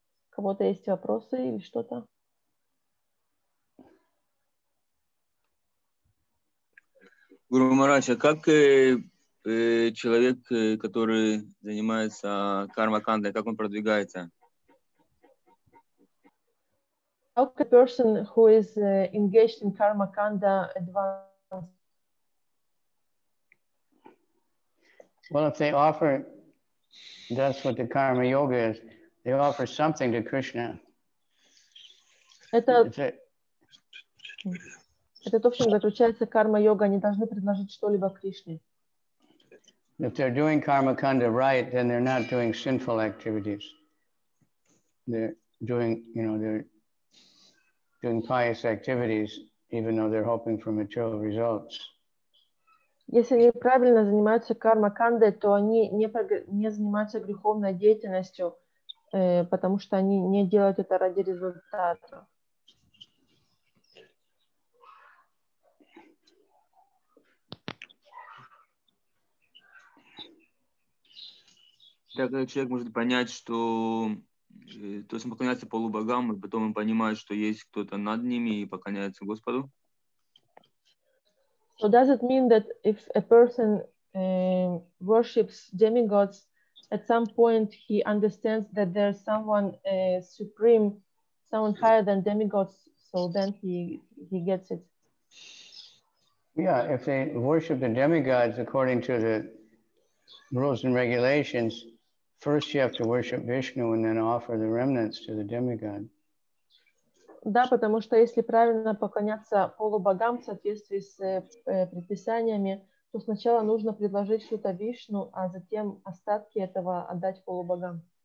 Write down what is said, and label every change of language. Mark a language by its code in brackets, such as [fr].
[ru] Кого-то есть вопросы или что-то? Гуру Махарадж, а как человек, который занимается карма-кандой, как он продвигается? [en] How can a person who is engaged in karma-kanda advance? Well, if they offer, that's what the karma yoga is, they offer something to Krishna. [ru] Это то, в чем заключается карма йога, они должны предложить что-либо Кришне. [en] If they're doing karma kanda right, then they're not doing sinful activities. They're doing, you know, they're doing pious activities, even though they're hoping for material results. [ru] Если они правильно занимаются карма-кандой, то они не занимаются греховной деятельностью, потому что они не делают это ради результата. Так, когда человек может понять, что то есть он поклоняется полубогам, и потом он понимает, что есть кто-то над ними и поклоняется Господу. [en] So does it mean that if a person worships demigods, at some point he understands that there's someone supreme, someone higher than demigods, so then he gets it? Yeah, if they worship the demigods according to the rules and regulations, first you have to worship Vishnu and then offer the remnants to the demigod. [ru] Да, потому что если правильно поклоняться полубогам в соответствии с предписаниями, то сначала нужно предложить что-то Вишну, а затем остатки этого отдать полубогам.